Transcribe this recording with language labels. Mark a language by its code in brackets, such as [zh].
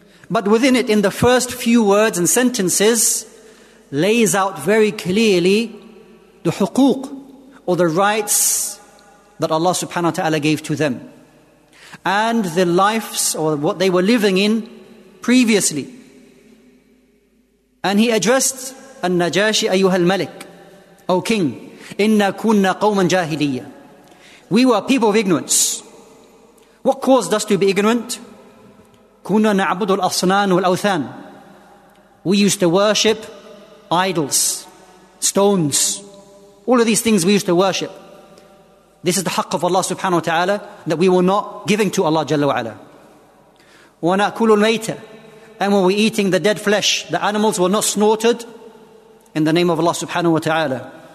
[en] But within it, in the first few words and sentences, lays out very clearly the huquq, or the rights that Allah subhanahu wa ta'ala gave to them, and the lives, or what they were living in previously. And he addressed An-Najashi, [ar] "Ayyuhal Malik, [en] O King, [ar] inna kunna qawman jahiliyya. [en] We were people of ignorance. What caused us to be ignorant? [ar] كنا نعبد الأصنام والأوثان. [en] We used to worship idols, stones. All of these things we used to worship. This is the haqq of Allah subhanahu wa ta'ala that we were not giving to Allah jalla wa ala. [ar] وَنَأْكُلُ الْمَيْتَ. [en] And when we're eating the dead flesh, the animals were not snorted in the name of Allah subhanahu wa ta'ala.